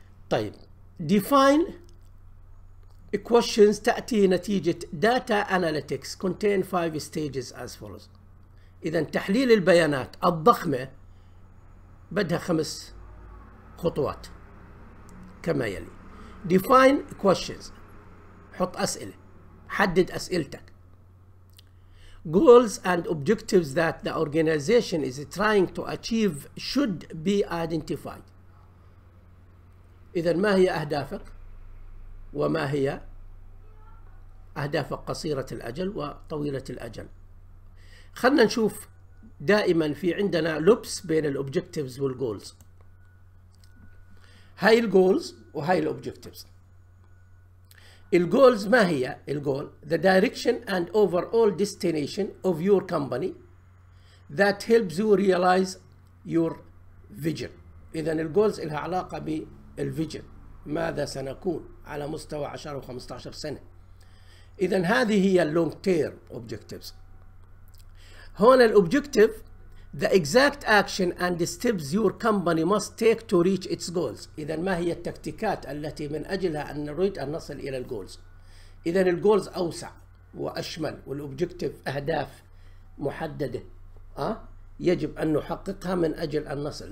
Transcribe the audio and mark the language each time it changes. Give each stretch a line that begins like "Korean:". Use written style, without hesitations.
English: طيب define questions تأتي نتيجة data analytics contain 5 stages as follows.
Arabic: إذا تحليل البيانات الضخمة بدها خمس خطوات كما يلي.
English: define questions،
Arabic: حط أسئلة، حدد أسئلتك.
English: goals and objectives that the organization is trying to achieve should be identified.
Arabic: إذا ما هي أهدافك وما هي أهدافك قصيرة الأجل وطويلة الأجل. خلنا نشوف، دائما في عندنا loops بين الobjectives والgoals، هاي الجولز وهاي الاوبجكتيفز. الجولز ما هي؟
English: الجول the direction and overall destination of your company that helps you realize your vision.
Arabic: اذا الجولز لها علاقه بالفيجن، ماذا سنكون على مستوى 10 و15 سنه. اذا هذه هي اللونج تيرم اوبجكتيفز. هون الاوبجكتيف
English: the exact action and steps your company must take to reach its goals.
Arabic: اذا ما هي التكتيكات التي من اجلها ان نريد ان نصل الى الجولز. اذا الجولز اوسع واشمل، والاوبجكتيف اهداف محدده يجب ان نحققها من اجل ان نصل.